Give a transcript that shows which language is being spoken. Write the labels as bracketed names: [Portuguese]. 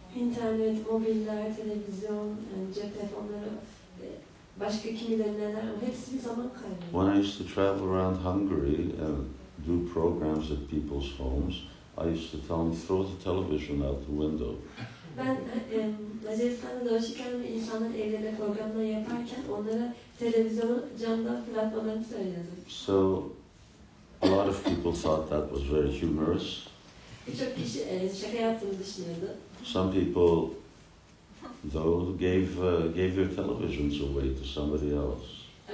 [Turkish] İnternet, mobiller, televizyon, cep telefonları, başka kimilerin neler, hepsi bir zaman kaybı. [English] When I used to travel around Hungary and do programs at people's homes, I used to tell them, throw the television out the window. [Turkish] Ben Macaristan'da dolaşırken insanların evlerinde programlar yaparken onlara televizyonu camdan fırlatmalarını söylüyordum. [English] So, a lot of people thought that was very humorous. [Turkish] Birçok kişi şaka yaptığını düşünüyordu. [English] Some people, though, gave your televisions away to somebody else.